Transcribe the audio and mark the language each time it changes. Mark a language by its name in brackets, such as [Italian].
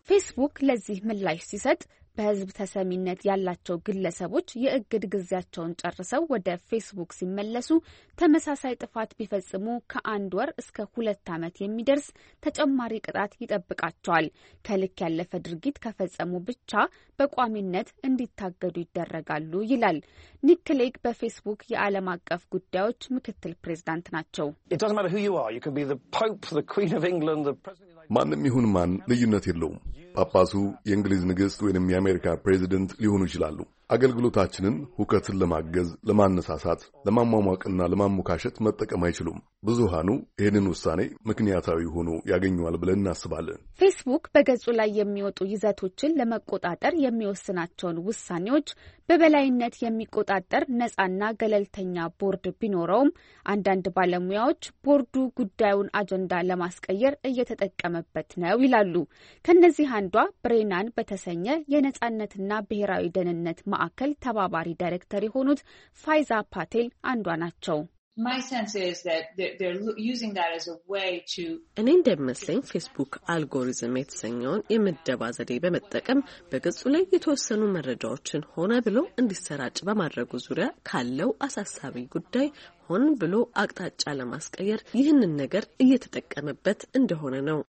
[Amharic] ፌስቡክ ለዚህ ምላሽ ሲሰጥ በህዝብ ተሰሚነት ያላቸው ግለሰቦች የእግድ ጊዜያቸውን ጨርሰው ወደ ፌስቡክ ሲመለሱ ተመሳሳይ ጥፋት ቢፈጽሙ ከአንድ ወር እስከ ሁለት አመት የሚደርስ ተጨማሪ ቅጣት ይጠብቃቸዋል። ከልክ ያለፈ ድርጊት ከፈጸሙ ብቻ በቋሚነት እንዲታገዱ ይደረጋሉ ይላል። ኒክ ክሌግ በፌስቡክ የዓለም አቀፍ ጉዳዮች ምክትል ፕሬዝዳንት ናቸው። [English] It doesn't matter who you are. You can be the Pope, the Queen of England, the President of the United States. [Amharic] ማንም ይሁን ማን ልዩነት የለውም። ጳጳሱ፣ የእንግሊዝ ንግሥት ወይንም የአሜሪካ ፕሬዚደንት ሊሆኑ ይችላሉ። አገልግሎታችንን ሁከትን ለማገዝ፣ ለማነሳሳት፣ ለማሟሟቅና ለማሞካሸት መጠቀም አይችሉም። ብዙሃኑ ይህንን ውሳኔ ምክንያታዊ ሆኖ ያገኘዋል ብለን እናስባለን። ፌስቡክ በገጹ ላይ የሚወጡ ይዘቶችን ለመቆጣጠር የሚወስናቸውን ውሳኔዎች በበላይነት የሚቆጣጠር ነጻና ገለልተኛ ቦርድ ቢኖረውም አንዳንድ ባለሙያዎች ቦርዱ ጉዳዩን አጀንዳ ለማስቀየር እየተጠቀመበት ነው ይላሉ። ከነዚህ አንዷ ብሬናን በተሰኘ የነጻነትና ብሔራዊ ደህንነት ማዕከል ተባባሪ ዳይሬክተር የሆኑት ፋይዛ ፓቴል አንዷ ናቸው። [English] My sense is that they're using that as a way to [Amharic] እኔ እንደምሰኝ Facebook አልጎሪዝም የተሰኘውን የመደባ ዘዴ በመጠቀም በገጹ ላይ የተወሰኑ መረጃዎችን ሆነ ብሎ እንዲሰራጭ በማድረጉ ዙሪያ ካለው አሳሳቢ ጉዳይ ሆን ብሎ አቅጣጫ ለማስቀየር ይህንን ነገር እየተጠቀመበት እንደሆነ ነው።